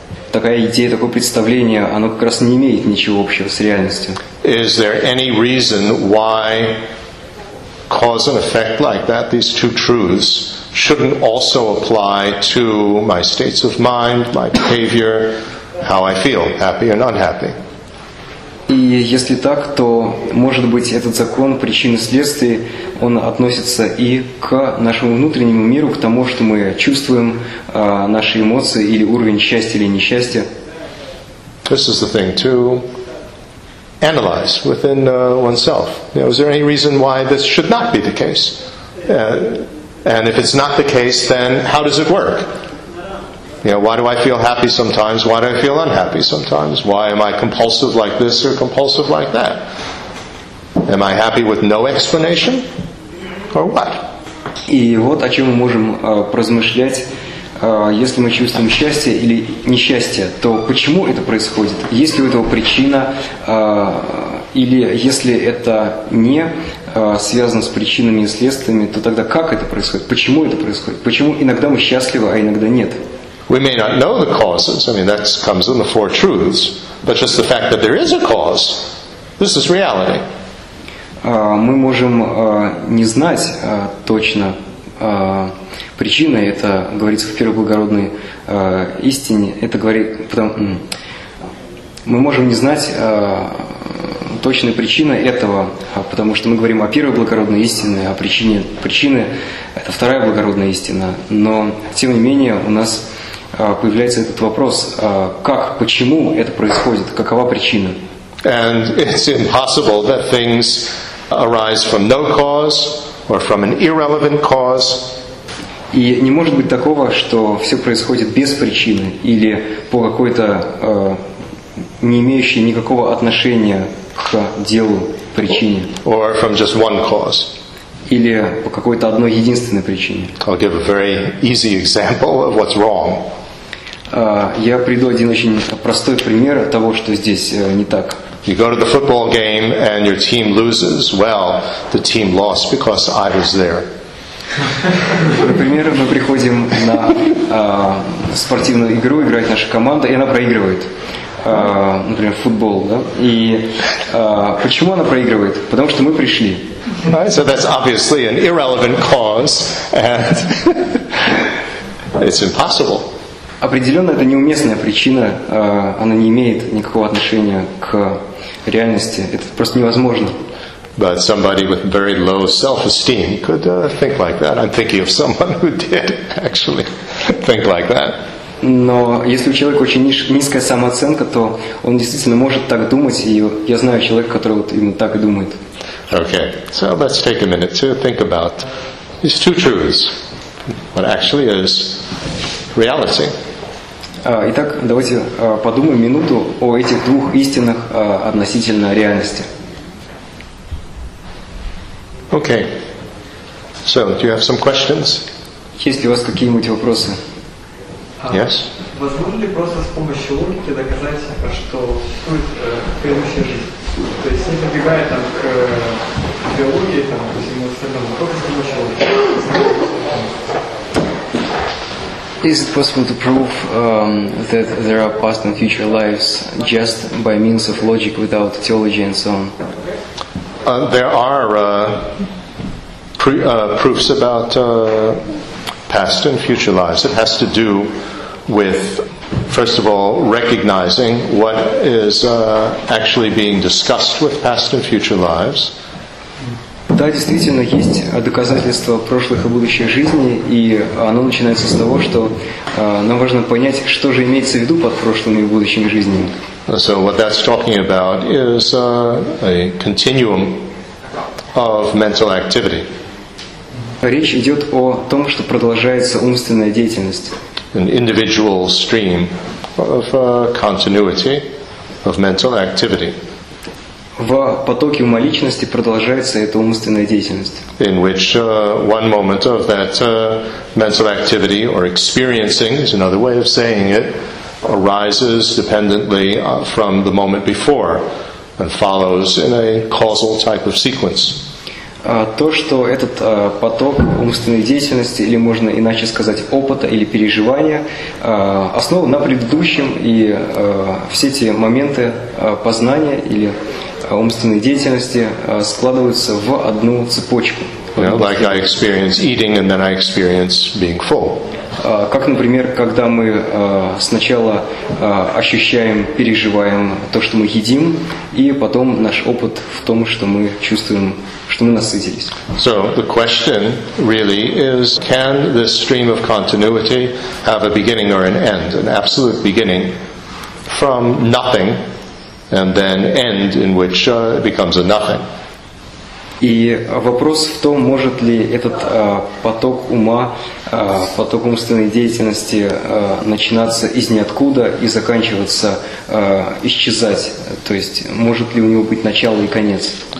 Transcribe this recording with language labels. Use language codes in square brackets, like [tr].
[ru] Такая идея, такое представление, оно как раз не имеет ничего общего с реальностью. [en] Is there any reason why cause and effect like that, these two truths, shouldn't also apply to my states of mind, my behavior, how I feel, happy and unhappy? [ru] И если так, то, может быть, этот закон причины следствия, он относится и к нашему внутреннему миру, к тому, что мы чувствуем, наши эмоции или уровень счастья или несчастья. [en] This is the thing to analyze within oneself. You know, is there any reason why this should not be the case? And if it's not the case, then how does it work? You know, why do I feel happy sometimes? Why do I feel unhappy sometimes? Why am I compulsive like this or compulsive like that? Am I happy with no explanation? Or what? [ru] И вот о чем мы можем поразмышлять. Если мы чувствуем счастье или несчастье, то почему это происходит? Есть ли у этого причина? Или если это не связано с причинами и следствиями, то тогда как это происходит? Почему это происходит? Почему иногда мы счастливы, а иногда нет? [en] We may not know the causes. I mean, that comes in the four truths. But just the fact that there is a cause, this is reality. [ru] Мы можем не знать точно причины. Это говорится в первой благородной истине. Это говорит, мы можем не знать точной причины этого, потому что мы говорим о первой благородной истине, о причине. Причины – это вторая благородная истина. Но тем не менее у нас появляется этот вопрос, как, почему это происходит, какова причина? [en] And it's impossible that things arise from no cause or from an irrelevant cause. [ru] И не может быть такого, что все происходит без причины или по какой-то не имеющей никакого отношения к делу причине. [en] Or from just one cause. [ru] Или по какой-то одной единственной причине. [en] I'll give a very easy example of what's wrong. [ru] Я приведу один очень простой пример того, что здесь не так. [en] You go to the football game and your team loses. Well, the team lost because I was there. [ru] Например, мы приходим на спортивную игру, играет наша команда, и она проигрывает. Например, футбол, да? И почему она проигрывает? Потому что мы пришли. [en] Right, so that's obviously an irrelevant cause, and it's impossible. [ru] Определенно, это неуместная причина, она не имеет никакого отношения к реальности. Это просто невозможно. [en] But somebody with very low self-esteem could think like that. I'm thinking of someone who did actually think like that. [ru] Но если у человека очень низкая самооценка, то он действительно может так думать, и я знаю человека, который вот именно так и думает. [en] Okay, so let's take a minute to think about these two truths. What actually is reality. [ru] Итак, давайте подумаем минуту о этих двух истинах относительно реальности. [en] Okay. So, do you have some questions? [ru] Есть ли у вас какие-нибудь вопросы? [en] Yes. [ru] Возможно ли просто с помощью логики доказать, что существует предыдущая жизнь? То есть, не прибегая там к биологии, там, к всему остальному, только с помощью логики? [en] Is it possible to prove that there are past and future lives just by means of logic without theology and so on? There are proofs about past and future lives. It has to do with, first of all, recognizing what is actually being discussed with past and future lives. [ru] Да, действительно, есть доказательства прошлых и будущих жизней, и оно начинается с того, что нам важно понять, что же имеется в виду под прошлыми и будущими жизнями. [en] So what that's talking about is a continuum of mental activity. [ru] Речь идет о том, что продолжается умственная деятельность. [en] An individual stream of continuity of mental activity. [ru] В потоке ума личности продолжается эта умственная деятельность. [en] In which one moment of that mental activity or experiencing is another way of saying it. Arises dependently from the moment before and follows in a causal type of sequence. [ru] То, что этот поток умственной деятельности, или можно иначе сказать, опыта или переживания, основан на предыдущем, и все эти моменты познания или умственной деятельности складываются в одну цепочку. [en] Yeah, like I experience eating and then I experience being full. [ru] Как, например, когда мы сначала ощущаем, переживаем то, что мы едим, и потом наш опыт в том, что мы чувствуем, что мы насытились. [en] So the question really is, can this stream of continuity have a beginning or an end, an absolute beginning from nothing and then end in which it becomes a nothing? [ru] И вопрос в том, может ли этот поток ума, поток умственной деятельности начинаться из ниоткуда и заканчиваться, исчезать. То есть, может ли у него быть начало и конец?